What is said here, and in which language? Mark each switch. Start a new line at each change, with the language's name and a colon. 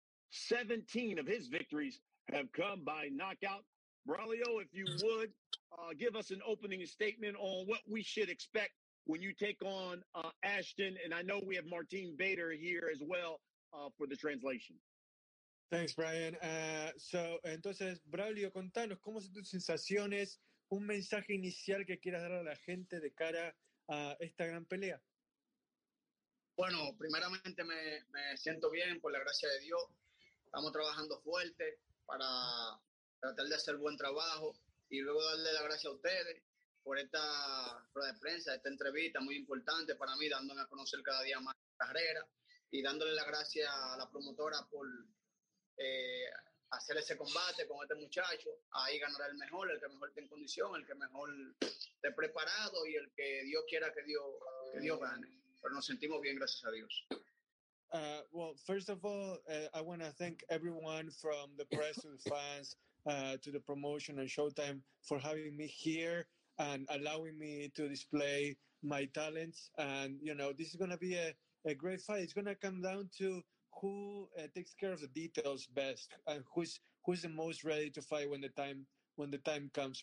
English: 17 of his victories have come by knockout. Braulio, if you would, give us an opening statement on what we should expect when you take on Ashton. And I know we have Martin Bader here as well for the translation. Thanks, Brian.
Spanish: So, entonces, Braulio, contanos, ¿cómo son tus sensaciones? ¿Un mensaje inicial que quieras dar a la gente de cara a esta gran pelea? Bueno, primeramente me siento bien, por la gracia de Dios. Estamos trabajando fuerte para tratar de hacer buen trabajo y luego darle la gracia a ustedes por esta rueda de prensa, esta entrevista muy importante para mí, dándome a conocer cada día más la carrera y dándole la gracia a la promotora por hacer ese combate con este muchacho. Ahí ganará el que mejor esté en condición, el que mejor esté preparado y el que Dios quiera que Dios gane. Pero nos sentimos bien, gracias a Dios.
English: Well, first of all, I want to thank everyone from the press and fans to the promotion and Showtime for having me here and allowing me to display my talents. And, you know, this is going to be a great fight. It's going to come down to who takes care of the details best and who's the most ready to fight when the time comes.